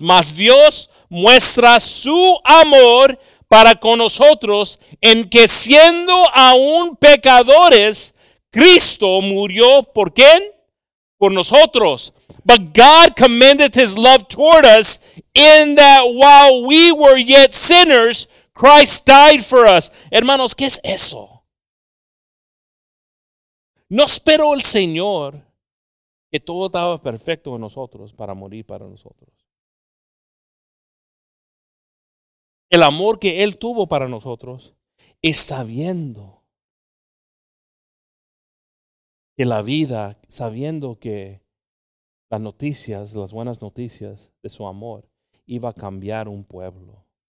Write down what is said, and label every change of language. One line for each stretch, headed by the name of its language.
Spanish: Mas Dios muestra su amor para con nosotros en que siendo aún pecadores, Cristo murió, ¿por quién? Por nosotros.
English: But God commended his love toward us in that while we were yet sinners, Christ died for us.
Spanish: Hermanos, ¿qué es eso? No esperó el Señor que todo estaba perfecto en nosotros para morir para nosotros. El amor que Él tuvo para nosotros es sabiendo que la vida, sabiendo que las noticias, las buenas noticias de su amor iba a cambiar un pueblo.